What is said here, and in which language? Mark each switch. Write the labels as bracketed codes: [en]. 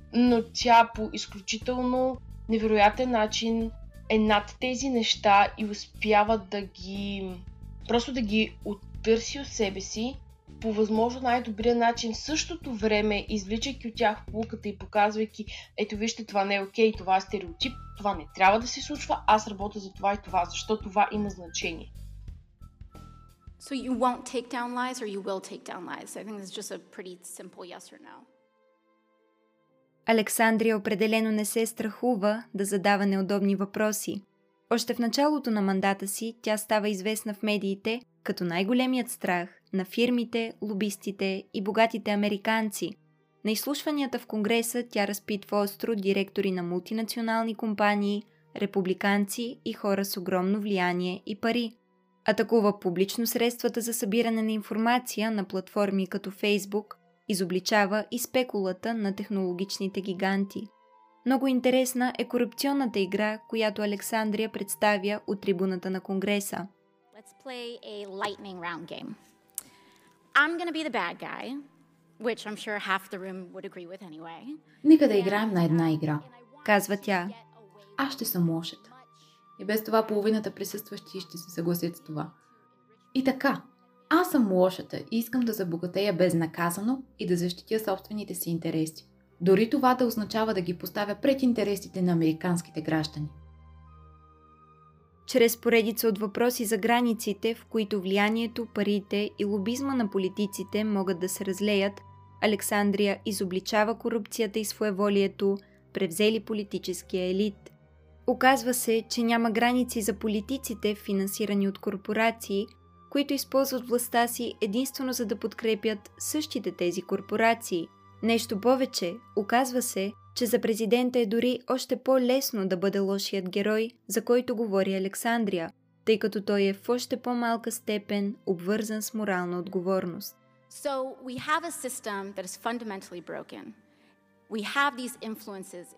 [bg] Но тя по изключително невероятен начин е над тези неща и успява да ги просто да ги оттърси от себе си по възможно най-добрия начин, в същото време извличайки от тях поуката и показвайки, ето вижте, това не е окей, това е стереотип, това не трябва да се случва, аз работя за това и това, защото това има значение. [en] So you won't take down lies or you will take down lies? I think it's just a pretty simple yes or no. [bg] Александрия определено не се страхува да задава неудобни въпроси. Още в началото на мандата си тя става известна в медиите като най-големият страх на фирмите, лобистите и богатите американци. На изслушванията в Конгреса тя разпитва остро директори на мултинационални компании, републиканци и хора с огромно влияние и пари. Атакува публично средствата за събиране на информация на платформи като Facebook, изобличава и спекулата на технологичните гиганти. Много интересна е корупционната игра, която Александрия представя от трибуната на Конгреса. [en] Let's play a lightning round game. I'm gonna be the bad guy, which I'm sure half the room would agree with anyway. [bg] Нека да играем на една игра, казва тя. Аз ще съм лошата. И без това половината присъстващи ще се съгласят с това. И така. Аз съм лошата и искам да забогатея безнаказано и да защитя собствените си интереси. Дори това да означава да ги поставя пред интересите на американските граждани. Чрез поредица от въпроси за границите, в които влиянието, парите и лобизма на политиците могат да се разлеят, Александрия изобличава корупцията и своеволието, превзели политическия елит. Оказва се, че няма граници за политиците, финансирани от корпорации, които използват властта си единствено за да подкрепят същите тези корпорации. Нещо повече, оказва се, че за президента е дори още по-лесно да бъде лошият герой, за който говори Александрия, тъй като той е в още по-малка степен обвързан с морална отговорност. [en] So we have a system that is fundamentally broken. We have these influences.